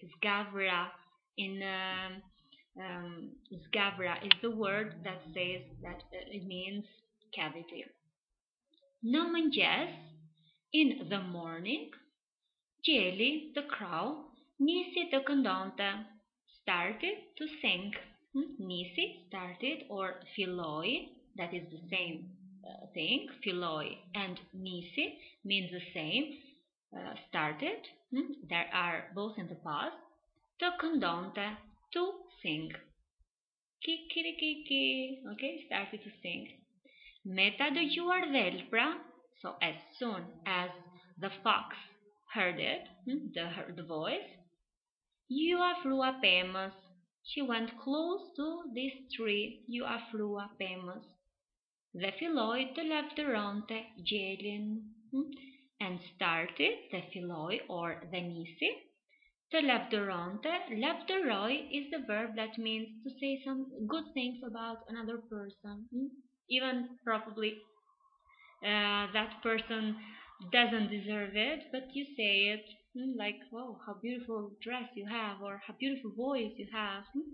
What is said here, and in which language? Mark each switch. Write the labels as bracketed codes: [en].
[en] Zgavra in zgavra is the word that says that it means cavity. [sq] Në mëngjes, [en] in the morning, [sq] Gjeli, [en] the crow, [sq] nisi të këndonte. [en] Started to sing. Nisi, started, or filloi, that is the same thing. Filloi and nisi means the same. Started, there are both in the past, [sq] të këndonte, [en] to sing. Kikirikiki, okay, started to sing. [sq] Me ta dëgjuar dhelpra, [en] so as soon as the fox heard it, the voice, [sq] ju afrua pemës, [en] she went close to this tree, [sq] ju afrua pemës, dhe filloi të lavdëronte gjelin. [en] And started, the filloi, or the nisi, [sq] të lavdëronte. [en] Lavdëroi is the verb that means to say some good things about another person. Even probably that person doesn't deserve it, but you say it like, oh, how beautiful dress you have, or how beautiful voice you have.